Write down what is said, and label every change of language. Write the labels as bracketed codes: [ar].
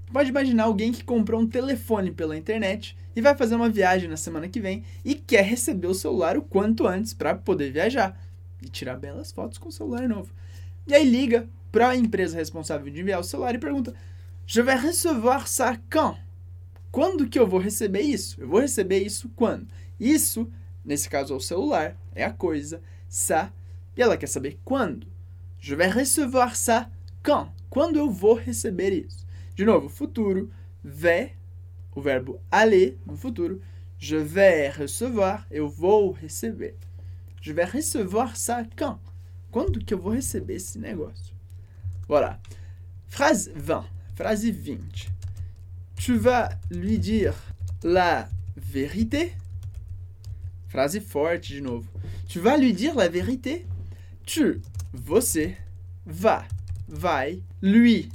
[pt] Pode imaginar alguém que comprou um telefone pela internet e vai fazer uma viagem na semana que vem e quer receber o celular o quanto antes para poder viajar e tirar belas fotos com o celular novo. E aí liga para a empresa responsável de enviar o celular e pergunta, [fr] je vais recevoir ça quand? [pt] Quando que eu vou receber isso? Eu vou receber isso quando? Isso, nesse caso, é o celular, é a coisa. Ça, E ela quer saber quando. [fr] Je vais recevoir ça quand. [pt] Quando eu vou receber isso? De novo, futuro. Vais, o verbo aller no futuro. [fr] Je vais recevoir. [pt] Eu vou receber. [fr] Je vais recevoir ça quand. [pt] Quando que eu vou receber esse negócio? [fr] Voilà. Phrase 20. Phrase 20. Tu vas lui dire la vérité? Phrase forte [pt] de novo. [fr] Tu vas lui dire la vérité? Tu, [pt] você, [fr] va, [pt] vai, [fr] lui.